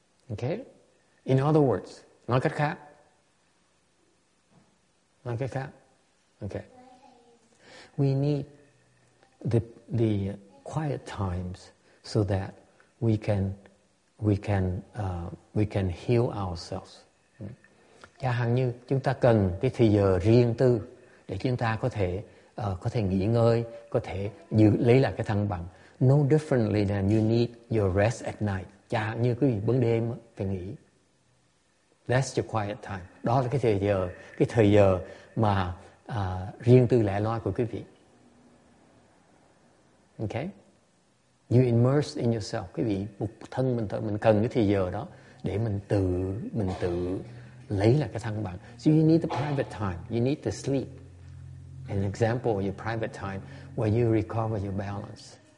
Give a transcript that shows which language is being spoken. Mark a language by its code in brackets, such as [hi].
[en] Okay, in other words, [vi] nói cách khác. [en] Okay, we need the quiet times so that we can heal ourselves. [vi] Chẳng hạn như chúng ta cần cái thời giờ riêng tư để chúng ta có thể nghỉ ngơi, có thể lấy lại cái thăng bằng. [en] No differently than you need your rest at night. [vi] Chẳng hạn như quý vị bấn đêm phải nghỉ. [en] That's your quiet time. [vi] Đó là cái thời giờ mà riêng tư lẻ loi của quý vị. [en] Okay? You immerse in yourself. [vi] Quý vị một thân mình thôi, mình cần cái thời giờ đó để mình tự lấy lại cái thăng bằng. [en] So you need the private time. You need to sleep. An example of your private time where you recover your balance.